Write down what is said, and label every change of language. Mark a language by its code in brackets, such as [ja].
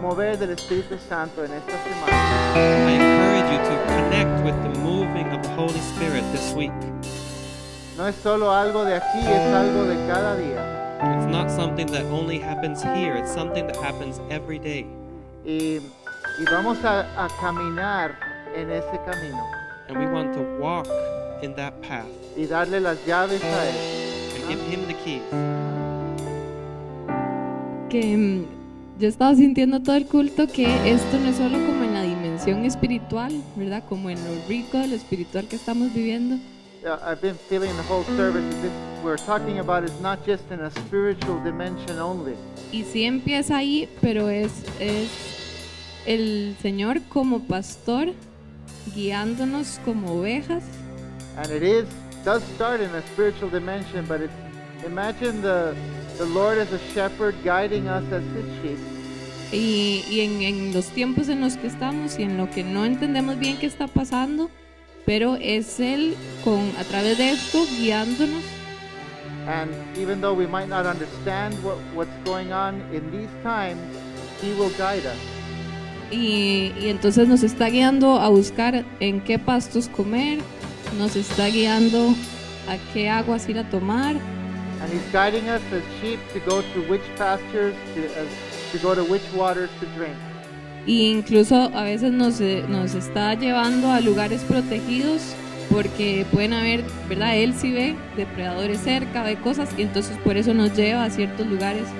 [en] I encourage you to connect with the moving of the Holy Spirit this week. [es] No es solo algo de aquí, es algo de cada día. [en] It's not something that only happens here, it's something that happens every day. [es] Y vamos a caminar en ese camino. [en] And we want to walk in that path. [es] Y darle las llaves a él. [en] And give him the keys. [es] Yo estaba sintiendo todo el culto que esto no es solo como en la dimensión espiritual, ¿verdad? Como en lo rico de lo espiritual que estamos viviendo. [en] I've been feeling the whole service that we're talking about is not just in a spiritual dimension only. [es] Y sí empieza ahí, pero es el Señor como pastor guiándonos como ovejas. [en] And it does start in a spiritual dimension, but it's, imagine the Lord is a shepherd guiding us as his sheep. [es] Y en los tiempos en los que estamos y en lo que no entendemos bien qué está pasando, pero es él con a través de esto guiándonos. [en] And even though we might not understand what's going on in these times, he will guide us. [es] Y entonces nos está guiando a buscar en qué pastos comer, nos está guiando a qué aguas ir a tomar. [en] And he's guiding us as sheep to go to which pastures, to go to which waters to drink. [es] Y incluso a veces nos está llevando a lugares protegidos porque pueden haber, ¿verdad? Él sí ve depredadores cerca, ve cosas y entonces por eso nos lleva a ciertos lugares.